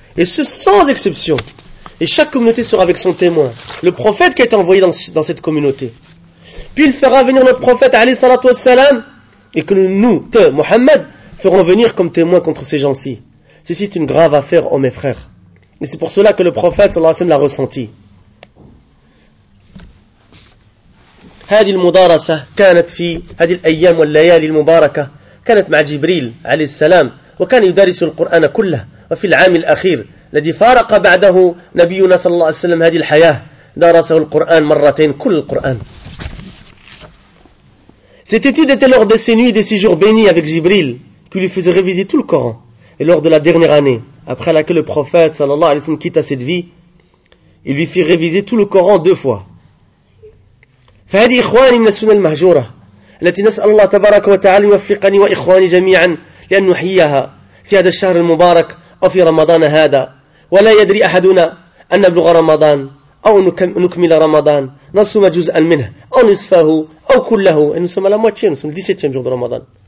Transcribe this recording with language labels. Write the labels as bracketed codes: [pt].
[fr] Et ce sans exception. Et chaque communauté sera avec son témoin, le prophète qui a été envoyé dans cette communauté. Puis il fera venir notre prophète, alayhi salatu wassalam, et que nous, te, Mohammed, ferons venir comme témoin contre ces gens-ci. Ceci est une grave affaire, ô mes frères. Et c'est pour cela que le prophète sallallahu alayhi wa sallam l'a ressenti. [ar] هذه المدارسة كانت في هذه الأيام والليالي المباركة كانت مع جبريل عليه السلام وكان يدرس القرآن كله وفي العام الأخير الذي فارق بعده نبينا صلى الله عليه وسلم هذه الحياة درسه القرآن مرتين كل القرآن. [fr] Cette étude était lors de ses nuits et de ses jours bénis avec Jibril, qui lui faisait réviser tout le Coran. Et lors de la dernière année, après laquelle le prophète, sallallahu alayhi wa sallam, quitta cette vie, il lui fit réviser tout le Coran deux fois. [ar] فهذه إخواني من السنة المهجورة التي نسأل الله تبارك وتعالى يوفقني وإخواني جميعا لأن نحييها في هذا الشهر المبارك أو في رمضان هذا ولا يدري أحدنا أن نبلغ رمضان أو نكمل رمضان نصوم جزءا منه أو نصفه أو كله نصوم لا موتشين نصوم 17 جهد رمضان